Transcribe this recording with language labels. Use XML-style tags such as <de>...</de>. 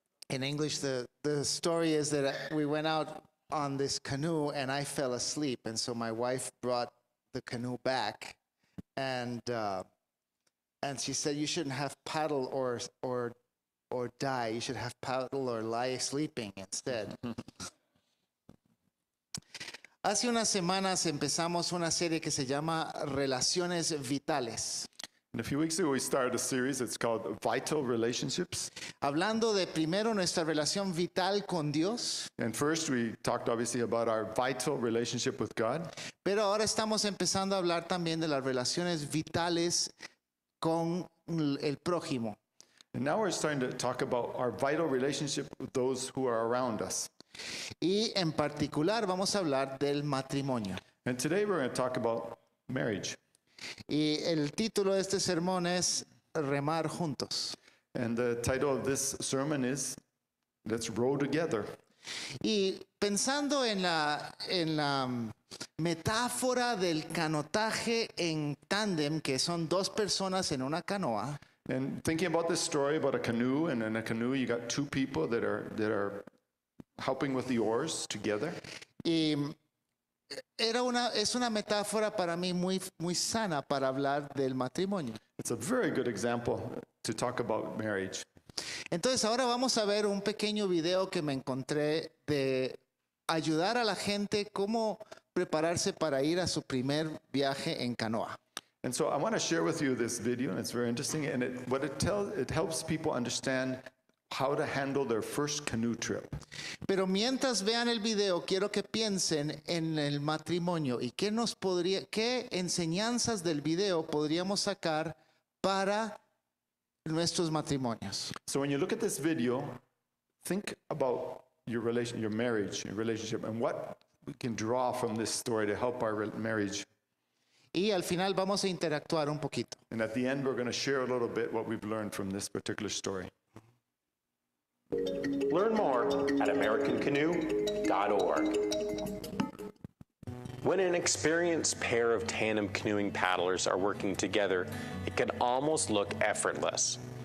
<en>In English, the story is that we went out on this canoe and I fell asleep, and so my wife brought the canoe back, and she said, "You shouldn't have paddle or die. You should have paddle or lie sleeping instead."</en> <es>Hace unas semanas empezamos una serie que se llama Relaciones Vitales.</es> <en>And a few weeks ago, we started a series. It's called Vital Relationships.</en> <es>Hablando de primero nuestra relación vital con Dios.</es> <en>And first, we talked obviously about our vital relationship with God.</en> <es>Pero ahora estamos empezando a hablar también de las relaciones vitales con el prójimo.</es> <en>And now we're starting to talk about our vital relationship with those who are around us.</en> <es>Y en particular vamos a hablar del matrimonio.</es> <en>And today we're going to talk about marriage.</en> <es>Y el título de este sermón es Remar Juntos.</es> <en>And the title of this sermon is Let's Row Together.</en> <es>Y pensando en la metáfora del canotaje en tándem, que son dos personas en una canoa.</es> <en>And thinking about this story about a canoe, and in a canoe you got two people that are helping with the oars together.</en> <es>Y es una metáfora para mí muy muy sana para hablar del matrimonio.</es> <en>It's a very good example to talk about marriage.</en> <es>Entonces ahora vamos a ver un pequeño video que me encontré de ayudar a la gente cómo prepararse para ir a su primer viaje en canoa.</es> <en>And so I want to share with you this video, and it's very interesting, and it helps people understand how to handle their first canoe trip.</en> <es>Pero mientras vean el video, quiero que piensen en el matrimonio y qué enseñanzas del video podríamos sacar para nuestros matrimonios.</es> <en>So when you look at this video, think about your relation, your marriage, your relationship, and what we can draw from this story to help our marriage.</en> <es>Y al final vamos a interactuar un poquito.</es> <en>And at the end, we're going to share a little bit what we've learned from this particular story. Learn more at AmericanCanoe.org. When an experienced pair of tandem canoeing paddlers are working together, it can almost look effortless.</en>